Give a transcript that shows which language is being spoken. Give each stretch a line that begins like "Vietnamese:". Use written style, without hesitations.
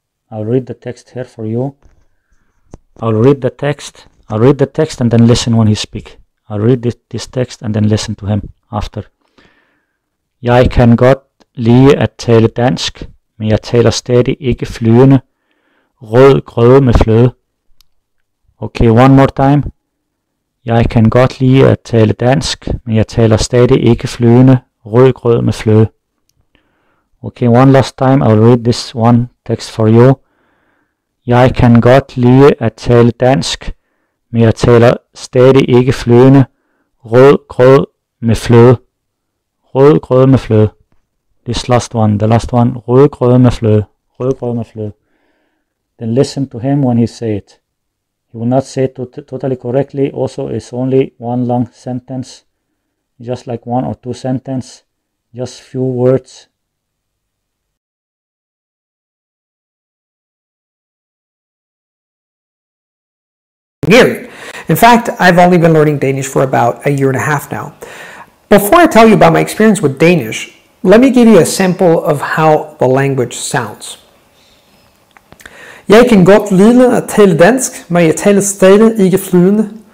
English: I'll read the text and then listen when he speak. I'll read this text and then listen to him after.
Danish: Jeg kan godt lide at tale dansk, men jeg taler stadig ikke flydende. Rød grød med fløde.
English: Okay, one more time.
Danish: Jeg kan godt lide at tale dansk, men jeg taler stadig ikke flydende, rød grød med fløde.
English: Okay, one last time, I'll read this one text for you.
Danish: Jeg kan godt lide at tale dansk, men jeg taler stadig ikke flydende, rød grød med fløde. Rød grød med fløde.
English: This last one, the last one,
Danish: rød grød med fløde. Rød grød med fløde.
English: Then listen to him when he say it. He will not say it totally correctly. Also, it's only one long sentence, just like one or two sentences, just few words. In fact, I've only been learning Danish for about a year and a half now. Before I tell you about my experience with Danish, let me give you a sample of how the language sounds.
Danish: Jeg kan godt lide at tale dansk, men jeg taler stadig ikke flydende.